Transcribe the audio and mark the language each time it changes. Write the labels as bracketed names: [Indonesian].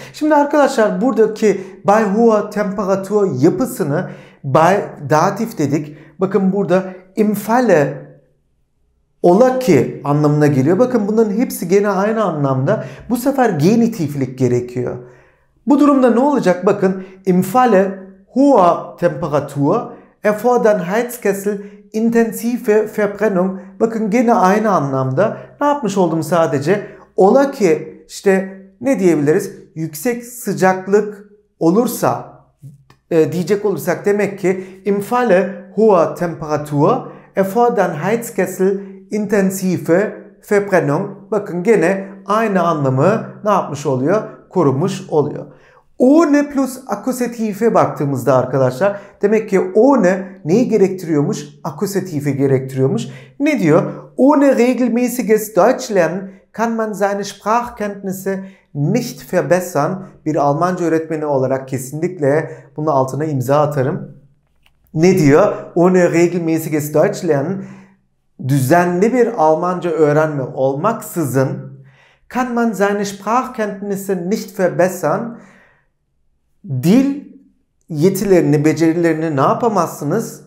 [Turkish] Şimdi arkadaşlar buradaki [German] bei hoher Temperatur [Turkish] yapısını bei datif dedik. Bakın burada [German] im Falle [Turkish] ola ki anlamına geliyor. Bakın bunların hepsi gene aynı anlamda. Bu sefer genitiflik gerekiyor. Bu durumda ne olacak? Bakın [German] im Falle hoher Temperatur erfordern Heizkessel intensive Verbrennung. [Turkish] Bakın gene aynı anlamda. Ne yapmış oldum sadece? Ola ki işte ne diyebiliriz? Yüksek sıcaklık olursa diyecek olursak demek ki [German] im Falle hoher Temperatur erfordern Heizkessel intensive Verbrennung. [Turkish] Bakın gene aynı anlamı ne yapmış oluyor? Korunmuş oluyor. Ohne plus akkusative baktığımızda arkadaşlar, demek ki ohne neyi gerektiriyormuş? Akkusative gerektiriyormuş. Ne diyor? [German] Ohne regelmäßiges Deutschlernen kann man seine Sprachkenntnisse nicht verbessern. [Turkish] Bir Almanca öğretmeni olarak kesinlikle bunun altına imza atarım. Ne diyor? [German] Ohne regelmäßiges Deutschlernen, [Turkish] düzenli bir Almanca öğrenme olmaksızın, [German] kann man seine Sprachkenntnisse nicht verbessern, [Turkish] dil yetilerini, becerilerini ne yapamazsınız?